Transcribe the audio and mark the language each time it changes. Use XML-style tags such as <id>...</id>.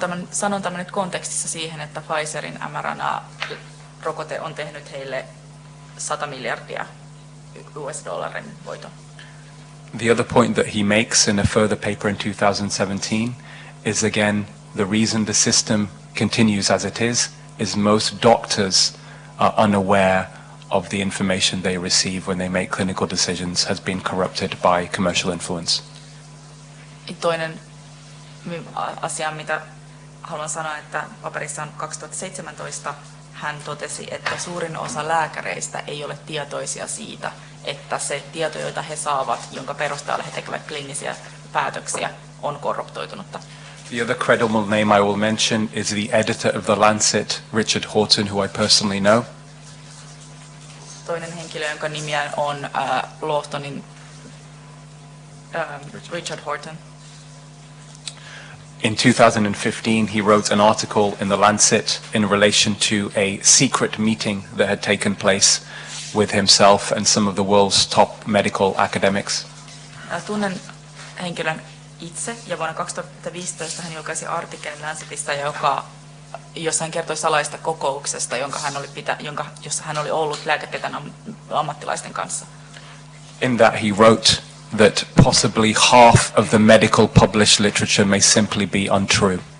<fi>Sanon tämän nyt kontekstissa siihen, että Pfizerin mRNA-rokote on tehnyt heille 100 miljardia US-dollarin voiton.</fi> <en>The other point that he makes in a further paper in 2017 is again the reason the system continues as it is most doctors are unaware of the information they receive when they make clinical decisions has been corrupted by commercial influence.</en> <fi>Toinen asia, mitä haluan sanoa, että paperissa on 2017, hän totesi, että suurin osa lääkäreistä ei ole tietoisia siitä, että se tieto, jota he saavat, jonka perusteella he tekevät kliinisiä päätöksiä, on korruptoitunutta.</fi> <en>The other credible name I will mention is the editor of The Lancet, Richard Horton, who I personally know.</en> <fi>Toinen henkilö, jonka nimi on Lawtonin Richard Horton.</fi> <en>In 2015, he wrote an article in The Lancet in relation to a secret meeting that had taken place with himself and some of the world's top medical academics.</en> <fi>Tunnen henkilön itse, ja vuonna 2015 hän julkaisi artikkelin Lancetista, jossa hän kertoi salaista kokouksesta, jossa hän oli ollut lääketieteen ammattilaisten kanssa.</fi> <en>In that he wrote that possibly half of the medical published literature may simply be untrue.</en>